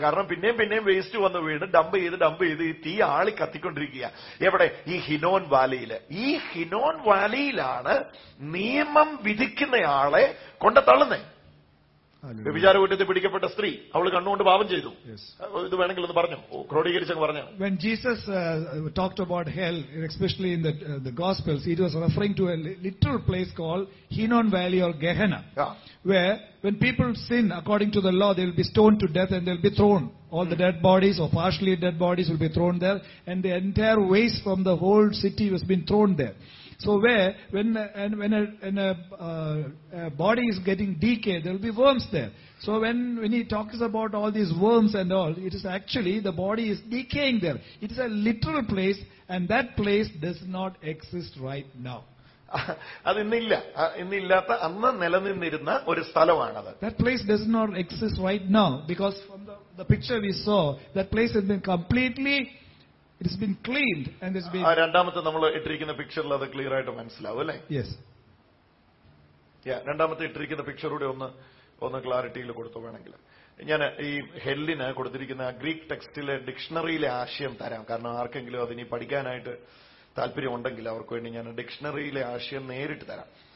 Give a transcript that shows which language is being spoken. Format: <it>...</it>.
<ml>കാരണം പിന്നെയും വേസ്റ്റ് വന്ന് വീണ് ഡംപ് ചെയ്ത് ഈ തീ ആളി കത്തിക്കൊണ്ടിരിക്കുക. എവിടെ? ഈ ഹിനോം വാലിയില്. ഈ ഹിനോം വാലിയിലാണ് നിയമം വിധിക്കുന്നയാളെ കൊണ്ട് തള്ളുന്നത്. വ്യഭിചാര കുറ്റത്തിൽ പിടിക്കപ്പെട്ട സ്ത്രീ, അവൾ കണ്ണുകൊണ്ട് പാപം ചെയ്തു. ഇത് വേണമെങ്കിൽ ഒന്ന് പറഞ്ഞു, ക്രോഡീകരിച്ച് പറഞ്ഞു.</ml> <en>When Jesus talked about hell, especially in the Gospels, it was referring to a literal place called Hinnom Valley or Gehenna, where when people sin according to the law, they will be stoned to death and they will be thrown. All the dead bodies or partially dead bodies will be thrown there, and the entire waste from the whole city has been thrown there. So when a body is getting decay, there will be worms there. So when he talks about all these worms and all, it is actually the body is decaying there. It is a literal place, and that place does not exist right now.</en> <ml>അത് ഇന്നില്ല, ഇന്നില്ലാത്ത അന്ന് നിലനിന്നിരുന്ന ഒരു സ്ഥലമാണത്.</ml> <en>That place does not exist right now because from the picture we saw, that place has been completely, it has been cleaned and it's been.</en> <ml>രണ്ടാമത്തെ നമ്മൾ ഇട്ടിരിക്കുന്ന പിക്ചറിൽ അത് ക്ലിയർ ആയിട്ട് മനസ്സിലാവും അല്ലേ?</ml> <en>Yes. Yeah,</en> <ml>രണ്ടാമത്തെ ഇട്ടിരിക്കുന്ന പിക്ചറുകൂടെ ഒന്ന് ക്ലാരിറ്റിയിൽ കൊടുത്തു വേണമെങ്കിൽ. ഞാൻ ഈ ഹെല്ലിന് കൊടുത്തിരിക്കുന്ന ഗ്രീക്ക് ടെക്സ്റ്റിലെ ഡിക്ഷണറിയിലെ ആശയം തരാം, കാരണം ആർക്കെങ്കിലും അതിനി പഠിക്കാനായിട്ട് താല്പര്യമുണ്ടെങ്കിൽ അവർക്ക് വേണ്ടി ഞാൻ ഡിക്ഷണറിയിലെ ആശയം നേരിട്ട് തരാം.</ml>